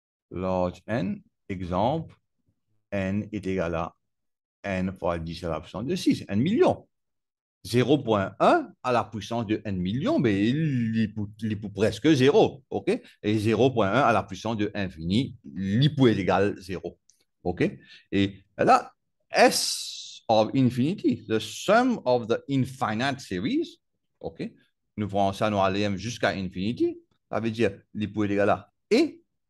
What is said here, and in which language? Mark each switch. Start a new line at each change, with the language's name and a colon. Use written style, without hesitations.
French: Large n, exemple, n est égal à n fois 10 à la puissance de 6, n million. 0,1 à la puissance de n million, mais il peut presque 0, OK? Et 0,1 à la puissance de infini, il peut être égal à 0, OK?
English: Et là, S of infinity, the sum of the infinite series, OK?
French: Nous pouvons ça nous aller jusqu'à infinity, ça veut dire il peut être égal à et.